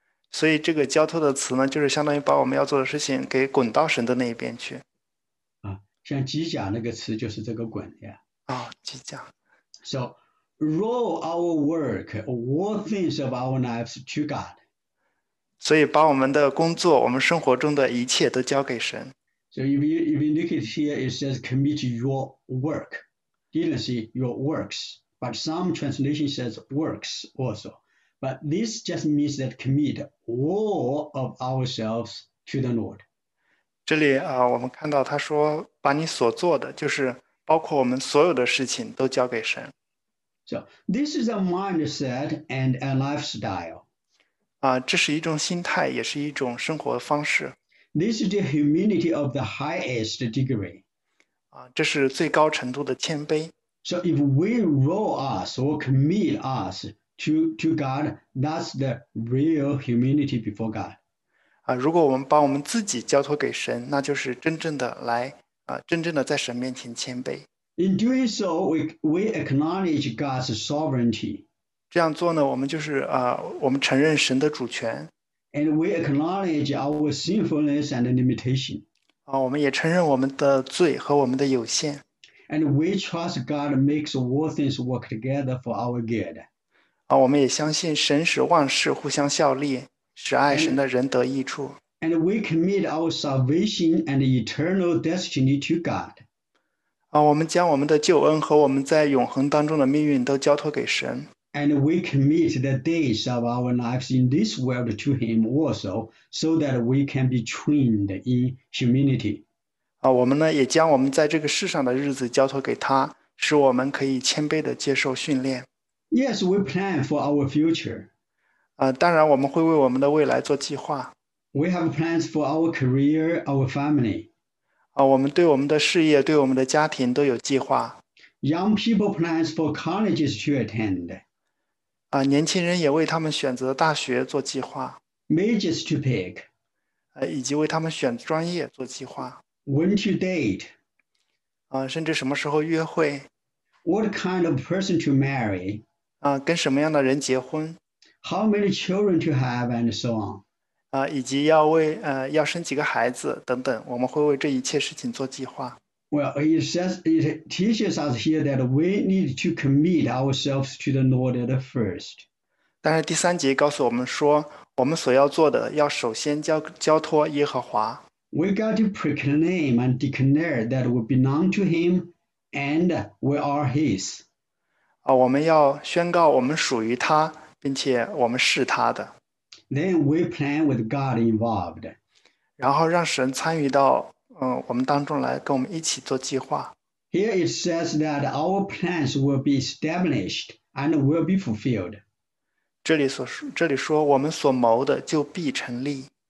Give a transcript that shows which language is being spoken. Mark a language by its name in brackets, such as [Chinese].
[Chinese] 所以这个交托的词呢，就是相当于把我们要做的事情给滚到神的那一边去。像机甲那个词就是这个滚呀。即将。 [English] So role our work, all things of our lives to God. [Chinese] 所以把我们的工作，我们生活中的一切都交给神。 [English] So if you look at here, it says commit your work. Didn't say your works, but some translation says works also. But this just means that commit all of ourselves to the Lord. [Chinese] 这里我们看到他说，把你所做的，就是包括我们所有的事情，都交给神。 [English] So this is a mindset and a lifestyle. [Chinese] 这是一种心态，也是一种生活方式。 [English] This is the humility of the highest degree. [Chinese] 这是最高程度的谦卑。 [English] So if we roll us or commit us to God, that's the real humility before God. [Chinese] 如果我们把我们自己交托给神，那就是真正的真正的在神面前谦卑。 [English] In doing so, we acknowledge God's sovereignty. [Chinese] 这样做呢，我们就是我们承认神的主权。 [English] And we acknowledge our sinfulness and limitation. [Chinese] 我们也承认我们的罪和我们的有限。 [English] And we trust God makes all things work together for our good. [Chinese] 我们也相信神使万事互相效力，使爱神的人得益处。 [English] And we commit our salvation and eternal destiny to God. [Chinese] 我们将我们的救恩和我们在永恒当中的命运都交托给神。 [English] And we commit the days of our lives in this world to him also, so that we can be trained in humility. [Chinese] 我们呢也将我们在这个世上的日子交托给他，使我们可以谦卑的接受训练。 [English] Yes, we plan for our future. [Chinese] 当然我们会为我们的未来做计划。 [English] We have plans for our career, our family. [Chinese] 我们对我们的事业，对我们的家庭都有计划。 [English] Young people plans for colleges to attend. [Chinese] 年轻人也为他们选择大学做计划。 [English] Majors to pick, [Chinese] 以及为他们选专业做计划。 [English] when to date, [Chinese] 甚至什么时候约会。 [English] what kind of person to marry, [Chinese] 跟什么样的人结婚。 [English] how many children to have, and so on. [Chinese] 以及要生几个孩子等等，我们会为这一切事情做计划。 [English] Well, it says, it teaches us here that we need to commit ourselves to the Lord at first. [Chinese] 但是第三节告诉我们说，我们所要做的要首先交托耶和华。 [English] We got to proclaim and declare that we belong to him and we are his. [Chinese] 我们要宣告我们属于他，并且我们是他的。 [English] Then we plan with God involved. [Chinese] 然后让神参与到我们当中来，跟我们一起做计划。 [English] Here it says that our plans will be established and will be fulfilled. [Chinese] 这里说我们所谋的就必成立。